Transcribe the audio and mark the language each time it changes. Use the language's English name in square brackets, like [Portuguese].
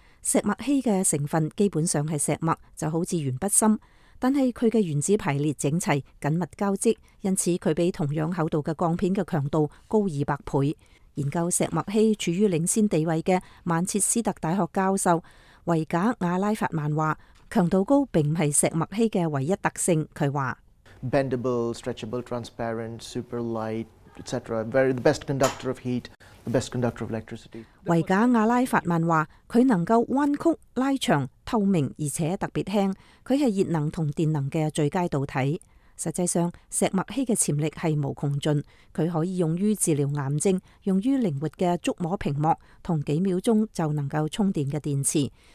[Chinese] 石墨烯的成分基本上是石墨，就好像铅笔芯，但是它的原子排列整齐，紧密交织，因此它比同样厚度的钢片的强度高200倍。研究石墨烯处于领先地位的曼彻斯特大学教授维贾亚拉法曼说，强度高并不是石墨烯的唯一特性。他说 [English] Bendable, stretchable, transparent, super light, etc. Very the best conductor of heat, the best conductor of electricity. [Chinese] 维贾亚拉法曼说，他能够弯曲、拉长、透明而且特别轻，他是热能和电能的最佳导体。实际上，石墨烯的潜力是无穷尽，它可以用于治疗癌症，用于灵活的触摸屏幕和几秒钟就能够充电的电池。